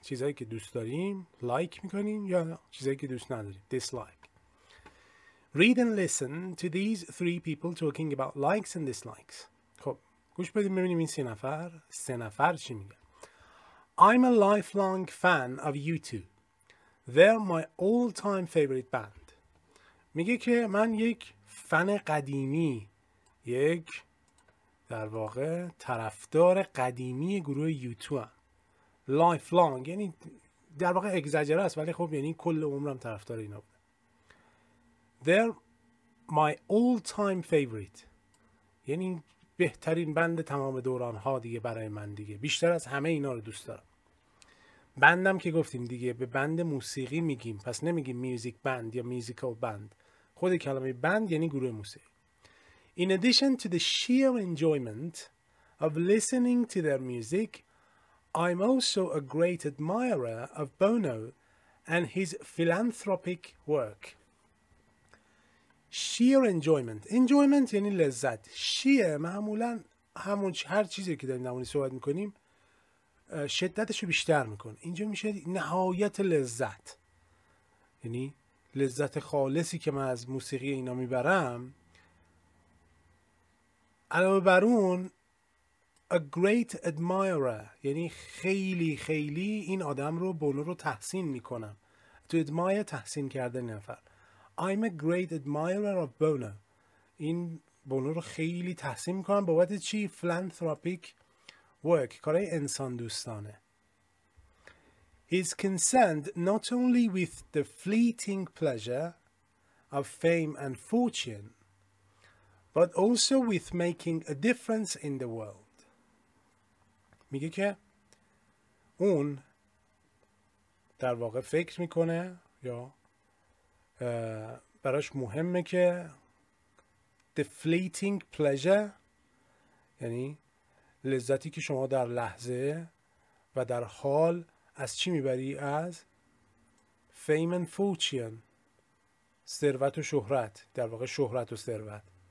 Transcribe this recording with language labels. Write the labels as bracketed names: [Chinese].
[Persian] چیزایی که دوست داریم like میکنیم یا چیزایی که دوست نداریم dislike. [English] Read and listen to these three people talking about likes and dislikes. [Persian] خب گوش بدیم ببینیم این سه نفر چی میگن. [English] I'm a lifelong fan of U2. They're my all-time favorite band. [Persian] میگه که من یک فن قدیمی، یک در واقع طرفدار قدیمی گروه یوتو هم. لایف لانگ یعنی در واقع اگزاجره است، ولی خب یعنی کل عمرم طرفدار اینا بوده. [English] They're my all time favorite [Persian] یعنی بهترین بند تمام دوران ها دیگه، برای من دیگه بیشتر از همه اینا رو دوست دارم. بندم که گفتیم دیگه، به بند موسیقی میگیم، پس نمیگیم میوزیک بند یا میوزیکال بند. خود کلمه بند یعنی گروه موسیقی. [English] In addition to the sheer enjoyment of listening to their music, I'm also a great admirer of Bono and his philanthropic work. Sheer enjoyment. Enjoyment [Persian] یعنی لذت. Sheer معمولا همون هر چیزی که داریم نمونی صحبت میکنیم شدتشو بیشتر میکنه. اینجا میشه نهایت لذت. یعنی لذت خالصی که من از موسیقی اینا میبرم. علاوه بر اون [English] a great admirer [Persian] یعنی خیلی خیلی این آدم رو، بونو رو تحسین میکنم. تو admire تحسین کرده نفر. [English] I'm a great admirer of Bono. [Persian] این بونو رو خیلی تحسین میکنم. بابت چی؟ [English] philanthropic work، [Persian] کارهای انسان دوستانه. [English] He's concerned not only with the fleeting pleasure of fame and fortune but also with making a difference in the world. [Persian] میگه که اون در واقع فکر میکنه یا براش مهمه که [English] the fleeting pleasure [Persian] یعنی لذتی که شما در لحظه و در حال از چی میبری؟ از [English] fame and fortune، [Persian] ثروت و شهرت، در واقع شهرت و ثروت.